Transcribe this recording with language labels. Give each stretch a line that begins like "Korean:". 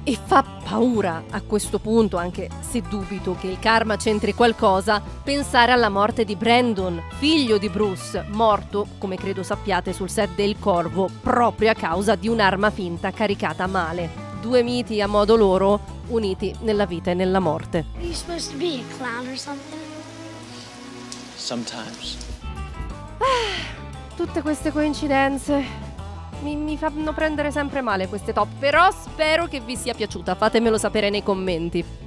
Italian: E fa paura a questo punto, anche se dubito che il karma c'entri qualcosa, pensare alla morte di Brandon, figlio di Bruce, morto, come credo sappiate, sul set del Corvo, proprio a causa di un'arma finta caricata male. Due miti a modo loro, uniti nella vita e nella morte.
English: Are you supposed to be a clown or something? Sometimes.
Italian: Tutte queste coincidenze mi fanno prendere sempre male queste top, però spero che vi sia piaciuta, fatemelo sapere nei commenti.